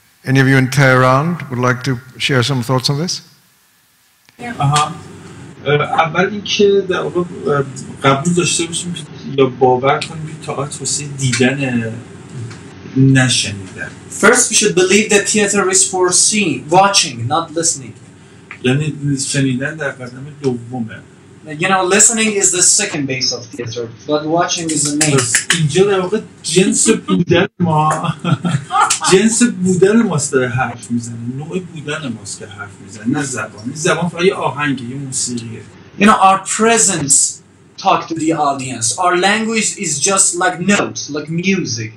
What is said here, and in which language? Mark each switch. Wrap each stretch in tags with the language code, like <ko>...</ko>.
<en>Any of you in Tehran would like to share some thoughts on this?</en> <fa>اول اینکه در واقع قبول داشته باشیم یا باور کنیم که تئاتر واسه دیدن نشنیدن.</fa> <en>First we should believe that theater is for seeing, watching, not listening.</en> <fa>یعنی شنیدن در قدم دومه.</fa> <en>You know, listening is the second base of theater, but watching is the main.</en> <fa>اینجا در واقع جنس بودن ما جنس بودن ماست که حرف میزنه، نوع بودن ماست که حرف میزنه، نه زبان. زبان فقط یه آهنگه، یه موسیقیه.</fa> <en>You know, our presence talk to the audience. Our language is just like notes, like music.</en>